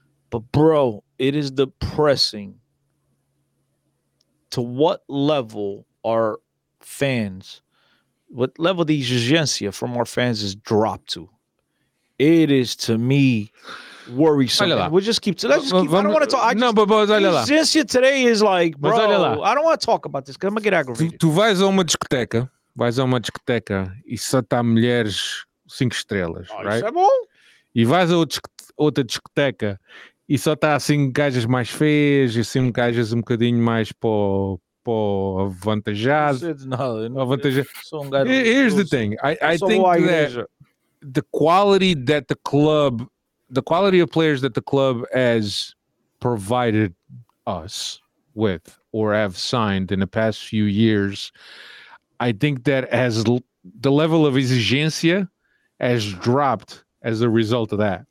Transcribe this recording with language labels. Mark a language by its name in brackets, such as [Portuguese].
[English] But bro, it is depressing. To what level our fans, what level the exigencia from our fans is dropped to? It is to me worrisome. We'll just keep. I don't want to talk. Exigencia today is like, bro. I don't want to talk about this because I'm gonna get aggravated. [Portuguese] Tu vais a uma discoteca, e só tá mulheres cinco estrelas, right? Isso é bom. E vais a outra discoteca e só tá assim gajas mais feias, assim gajas um bocadinho mais pô avantajado. [English] Here's the thing. I think that the quality of players that the club has provided us with or have signed in the past few years, I think that has the level of exigencia has dropped as a result of that.